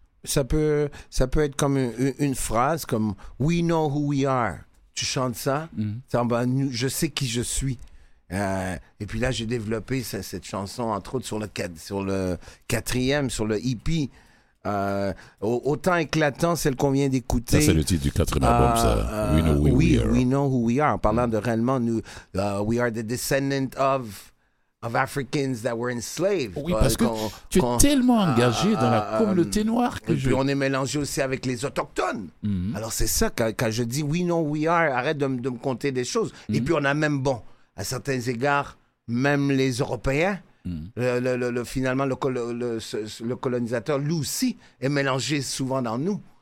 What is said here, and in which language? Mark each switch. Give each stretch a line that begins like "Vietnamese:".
French: Ça peut être comme une phrase comme «
English: We know who we are ».
French: Tu chantes ça, je sais qui je suis. Et puis là, j'ai développé cette chanson, entre autres, sur le quatrième, sur le EP. Autant éclatant, celle qu'on vient d'écouter. Ça, c'est le titre du quatrième album, ça.
English: We know who we are. We know who we are.
French: En parlant de réellement, nous,
English: we are the descendant of Africans that were enslaved.
French: Oui, parce que tu es tellement engagé dans la communauté noire. Puis on est mélangé aussi avec les autochtones. Mm-hmm. Alors c'est ça, quand je dis
English: we know who we are,
French: arrête de me conter des choses. Mm-hmm. Et puis on a même, bon, à certains égards, même les Européens, le colonisateur, lui aussi, est mélangé souvent dans nous.